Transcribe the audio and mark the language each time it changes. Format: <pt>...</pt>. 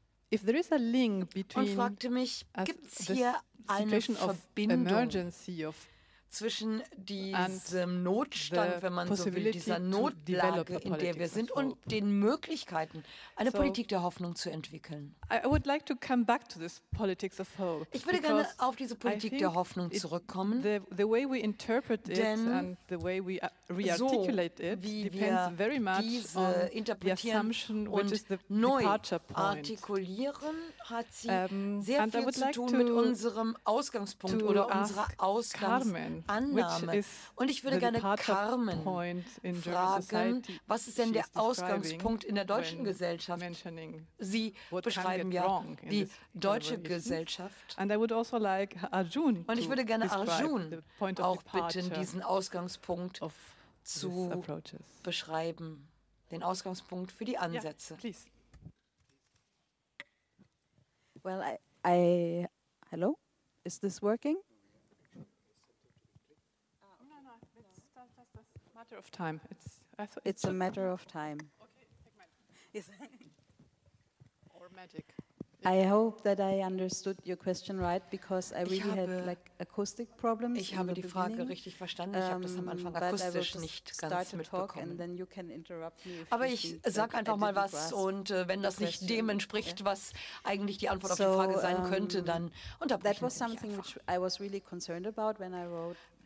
<en>if there is a link between</en> <de>und fragte mich, gibt es hier eine Verbindung zwischen diesem Notstand, wenn man so will, dieser Notlage, in der wir sind, und den Möglichkeiten, eine Politik der Hoffnung zu entwickeln.</de> <en>I would like to come back to this politics of hope.</en> <de>Ich würde gerne auf diese Politik der Hoffnung zurückkommen.</de> <en>The way we interpret it and the way we rearticulate it depends very much on the assumption which is the departure point.</en> <de>Artikulieren hat sie sehr viel zu tun mit unserem Ausgangspunkt oder unserer Ausgangsannahme. Und ich würde gerne Carmen fragen, was ist denn der Ausgangspunkt in der deutschen Gesellschaft? Sie beschreiben ja die deutsche Gesellschaft. Und ich würde gerne Arjun auch bitten, diesen Ausgangspunkt zu beschreiben, den Ausgangspunkt für die Ansätze.</de> <en>Yeah, well, I hello, is this working? It's a matter of time. It's a matter of time. Or magic. I hope that I understood your question right, because I really had like acoustic problems.</en> <de>Ich habe die Frage richtig verstanden. Ich habe das am Anfang akustisch nicht ganz mitbekommen.</de> <en>And then you can interrupt me if</en> <de>aber ich sage einfach mal was, und wenn das nicht dem entspricht, was eigentlich die Antwort auf die Frage sein könnte, dann unterbreche ich.</de> <en>That was something which I was really concerned about when I wrote.</en>